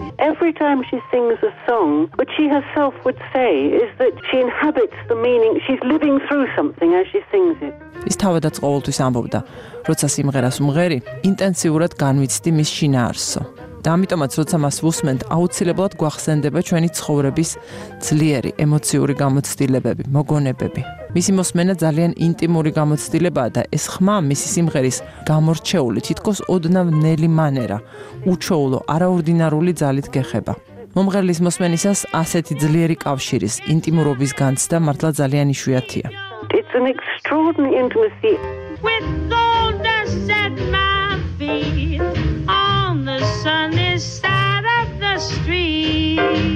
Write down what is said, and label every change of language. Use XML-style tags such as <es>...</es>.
<en>Every time she sings a song, what she herself would say is that she inhabits the meaning, she's living through something as she sings it.</en> <ka>ის თავადაც ყოველთვის ამბობდა, როცა სიმღერას მღერი, ინტენსიურად განვიცდი მის შინაარსო. და ამიტომაც, როცა მას ვუსმენთ, აუცილებლად გვახსენდება ჩვენი ცხოვრების ძლიერი ემოციური გამოცდილებები, მოგონებები. მისი მოსმენა ძალიან ინტიმური გამოცდილებაა და ეს ხმა მისი სიმღერის გამორჩეული, თითქოს ოდნავ ნელი მანერა, უჩვეულო, არაორდინარული ძალით გეხება. მომღერლის მოსმენისას ასეთი ძლიერი კავშირის, ინტიმურობის განცდა მართლა ძალიან იშვიათია.</ka> <en>It's an extraordinary intimacy with gold dust at my feet on the sunny side of the street.</en>